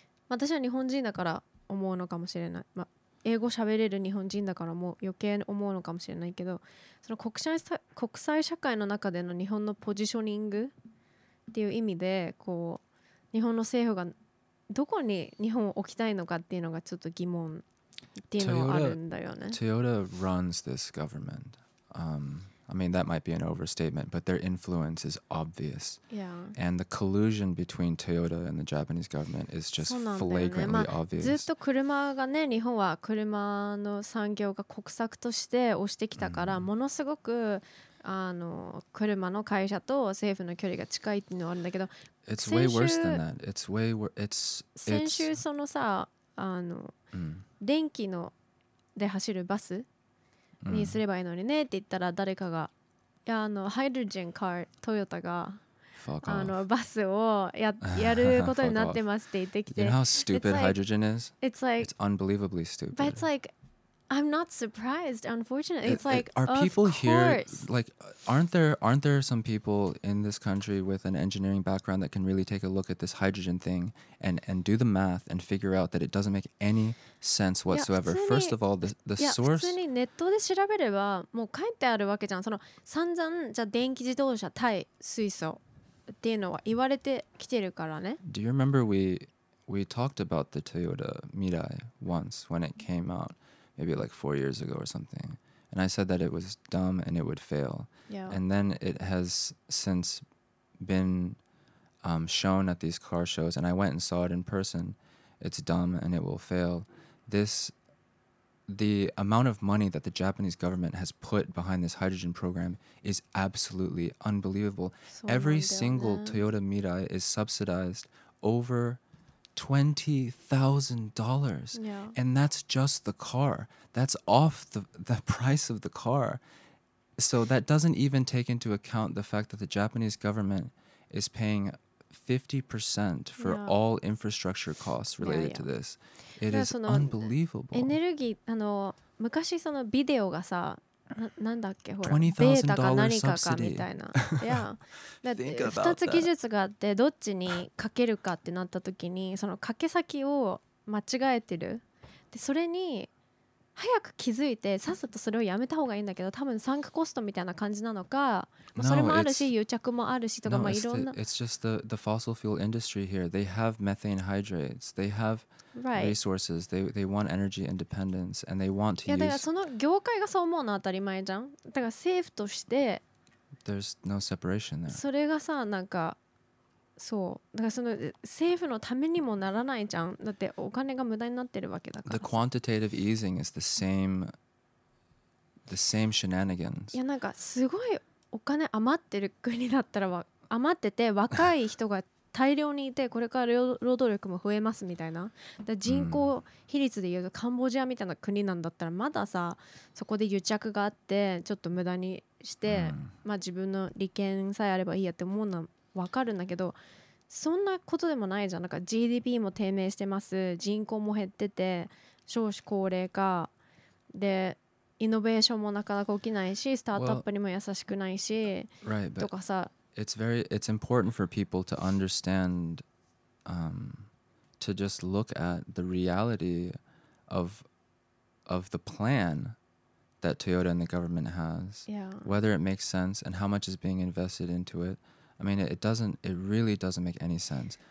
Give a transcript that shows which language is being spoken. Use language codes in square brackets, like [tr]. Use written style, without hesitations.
[ja] 私は日本人だから思うのかもしれない、ま英語喋れる日本人だからもう余計思うのかもしれないけど、その国際社会の中での日本のポジショニングっていう意味で、こう日本の政府がどこに日本を置きたいのかっていうのがちょっと疑問っていうのがあるんだよね。 [en] Toyota runs this government. I mean, that might be an overstatement, but their influence is obvious. Yeah. And the collusion between Toyota and the Japanese government is just flagrantly、 [ja] ね、 [en] obvious. [ja] ずっと車がね、日本は車の産業が国策として推してきたから、mm-hmm. ものすごくあの車の会社と政府の距離が近いっていうのはあるんだけど、 [en] It's way worse than that. It's way worse. It's [ja] 先週そのさ、あの、 mm. 電気ので走るバスにすればいいのにねって言ったら、誰かがいや、あのハイドロジェンカー、トヨタがあのバスを やることになってますって言ってきて、 [en] You know how stupid hydrogen is? It's like it's unbelievably stupid. But it's like I'm not surprised. Unfortunately, it's like are people of here like aren't there some people in this country with an engineering background that can really take a look at this hydrogen thing and do the math and figure out that it doesn't make any sense whatsoever. First of all, the source. [ja] 普通にネットで調べればもう書いてあるわけじゃん。その散々じゃ電気自動車対水素っていうのは言われてきてるからね。 [en] Do you remember we talked about the Toyota Mirai once when it came out? Maybe like 4 years ago or something. And I said that it was dumb and it would fail. Yeah. And then it has since been shown at these car shows, and I went and saw it in person. It's dumb and it will fail. The amount of money that the Japanese government has put behind this hydrogen program is absolutely unbelievable. Every single Toyota Mirai is subsidized over $20,000, and that's just the car. That's off the price of the car. So that doesn't even take into account the fact that the Japanese government is paying 50% for all infrastructure costs related to this. It is unbelievable. [ja] エネルギー、あの昔そのビデオがさ、なんだっけほらベータか何かかみたいな。いや、だって2つ技術があってどっちにかけるかってなった時にそのかけ先を間違えてる。でそれに早く気づいてさっさとそれをやめた方がいいんだけど、多分サンクコストみたいな感じなのか、それもあるし癒着もあるしとか、まあいろんな。 [en] It's just the fossil fuel industry here. They have methane hydrates. They have resources. They want energy independence and they want to use. [ja] いやだからその業界がそう思うのは当たり前じゃん。だから政府として。 [en] There's no separation there. [ja] それがさなんか。そうだからその政府のためにもならないじゃん。だってお金が無駄になってるわけだから。 [en] The quantitative easing is the same shenanigans. [ja] いやなんかすごいお金余ってる国だったらは余ってて若い人が大量にいてこれから労働力も増えますみたいな。だ人口比率でいうとカンボジアみたいな国なんだったらまださそこで癒着があってちょっと無駄にして、まあ自分の利権さえあればいいやって思うな。わかるんだけどそんなことでもないじゃん。なんか GDP も低迷してます、人口も減ってて少子高齢化でイノベーションもなかなか起きないしスタートアップにも優しくないし、 [en] well, right, [ja] とかさ [en] it's important for people to understand、to just look at the reality of the plan that Toyota and the government has、 yeah. whether it makes sense and how much is being invested into itI mean, it really doesn't make any sense.